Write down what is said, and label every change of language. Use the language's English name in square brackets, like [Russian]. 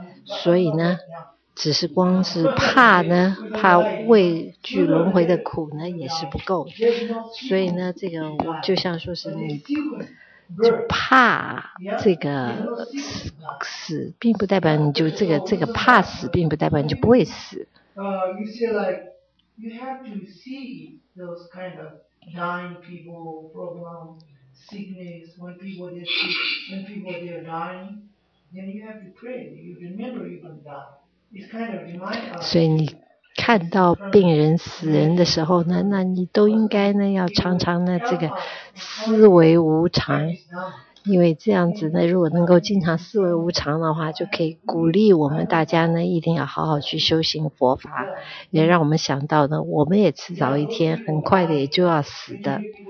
[Chinese] 所以呢，只是光是怕呢，怕畏惧轮回的苦呢，也是不够。所以呢，这个我就像说是你就怕这个死，并不代表你就这个怕死，并不代表你就不会死。 [English] You say like you have to see those kind of dying people problem sickness when people they're dying, then you have to pray. You remember you're gonna die. [Chinese] 所以你看到病人死人的时候呢，那你都应该呢要常常呢这个思维无常，因为这样子呢，如果能够经常思维无常的话，就可以鼓励我们大家呢一定要好好去修行佛法，也让我们想到呢，我们也迟早一天很快的也就要死的。